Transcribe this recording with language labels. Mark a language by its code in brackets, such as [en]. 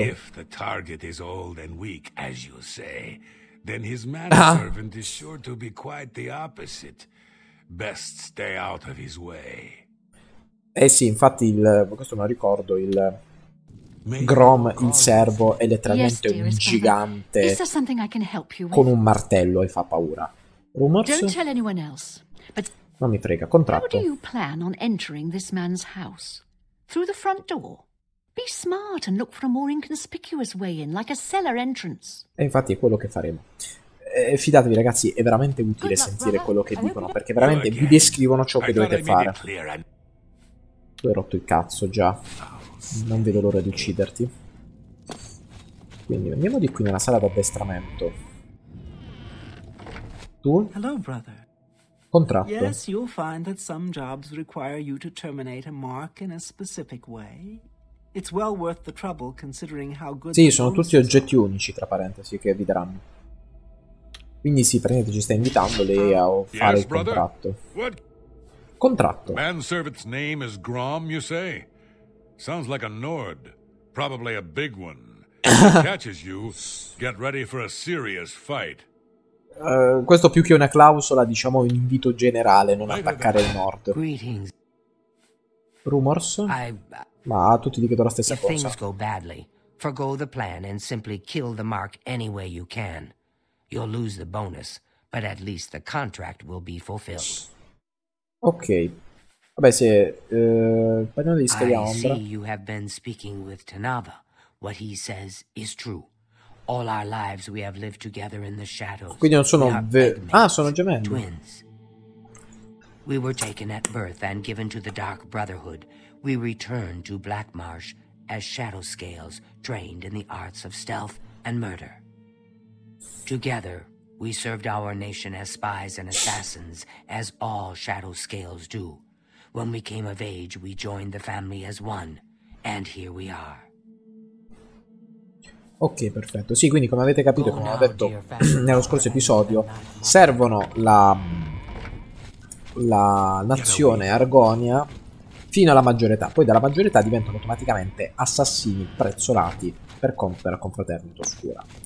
[en] If the target is old and weak, as you say, then his manservant is sure to be quite the opposite. Best stay out of his way. [it] Eh sì, infatti questo me lo ricordo, il Grom, il servo, è letteralmente un gigante con un martello e fa paura. [en] Rumors? Don't tell anyone else, but [it] non mi frega, contratto. [en] How do you plan on entering this man's house? Through the front door? Be smart and look for a more inconspicuous way in, like a cellar entrance. [it] E infatti è quello che faremo. Fidatevi ragazzi, è veramente utile sentire quello che dicono, perché veramente vi descrivono ciò che dovete fare. Tu hai rotto il cazzo già. Non vedo l'ora di ucciderti. Quindi andiamo di qui nella sala d'addestramento. Tu? [en] Hello, brother. [it] Contratto. [en] Yes, you'll find that some jobs require you to terminate a mark in a specific way. It's well worth the trouble considering how good. [it] Sì, sono tutti oggetti unici, tra parentesi, che vi daranno. Quindi sì, praticamente ci sta invitando lei a fare il contratto. [en] What? [it] Contratto. [en] The manservant's name is Grom, you say? Sounds like a Nord, probably a big one. If he catches you, get ready for a serious fight. [it] Questo più che una clausola, diciamo un invito generale, non attaccare il Nord. [en] Greetings. Rumors? [it] Ma tutti dicono la stessa cosa. [en] If things go badly, forgo the plan and simply kill the mark any way you can. You'll lose the bonus, but at least the contract will be fulfilled. Ok. [it] Vabbè, se parliamo di Scaglia Ombra. [en] I see you have been speaking with Tanava. What he says is true. All our lives we have lived together in the shadows. [it] Quindi non sono sono gemelli. [en] Twins. We were taken at birth and given to the Dark Brotherhood. We returned to Black Marsh as Shadow Scales, trained in the arts of stealth and murder. Together, we served our nation as spies and assassins, as all Shadow Scales do. When we came of age, we joined the family as one, and here we are. [it] Ok, perfetto. Sì, quindi come avete capito, come ho detto nello scorso episodio, servono la nazione Argonia fino alla maggiorità, poi dalla maggiorità diventano automaticamente assassini prezzolati per conto della confraternita oscura.